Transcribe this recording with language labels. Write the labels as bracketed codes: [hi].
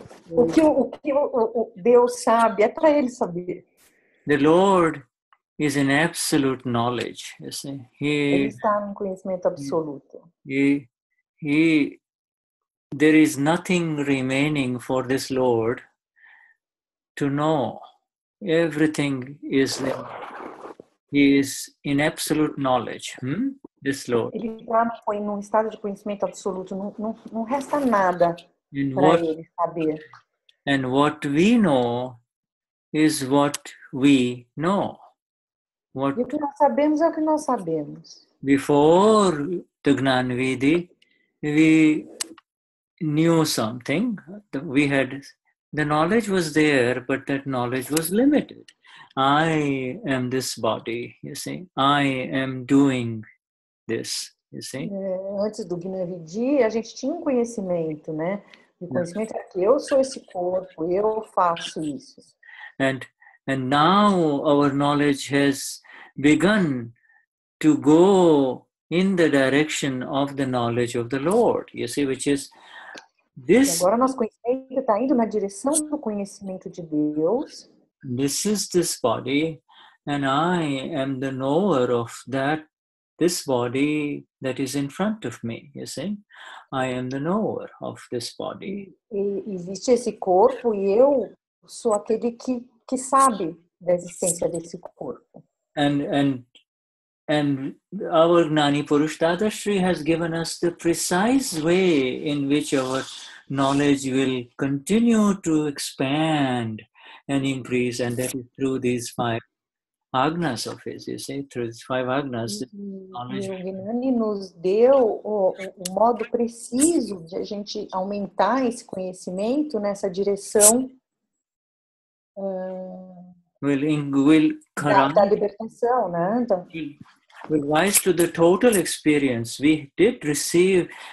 [pt] O que Deus sabe é para ele saber. [en] The Lord is in absolute knowledge, you see. [pt] Ele está em conhecimento absoluto. [en] He there is nothing remaining for this Lord to know. Everything is there. He is in absolute knowledge, this Lord. [pt] Ele está em um estado de conhecimento absoluto. Não resta nada para ele saber. [en] And what we know is what we know. [pt] What e o que nós sabemos é o que nós sabemos. [en] Before the Gnanvidhi, we knew something. We had the knowledge was there, but that knowledge was limited. I am this body, you see. I am doing this, you see. [pt] Antes do Gnanvidhi, a gente tinha um conhecimento, né? O conhecimento é que eu sou esse corpo, eu faço isso. [en] And now our knowledge has begun to go in the direction of the knowledge of the Lord, you see, which is this. [pt] E agora nosso conhecimento está indo na direção do conhecimento de Deus. [en] This is this body, and I am the knower of this body that is in front of me, you see? I am the knower of this body. [pt] Existe esse corpo e eu sou aquele que sabe da existência desse corpo. [en] And our Gnani Purush Dadashri has given us the precise way in which our knowledge will continue to expand and increase, and that is through these five agnas of his, you see, through these five agnas. [pt] O Gnani nos deu o modo preciso de a gente aumentar esse conhecimento nessa direção da libertação, né? [en] Will rise to the total experience. We did receive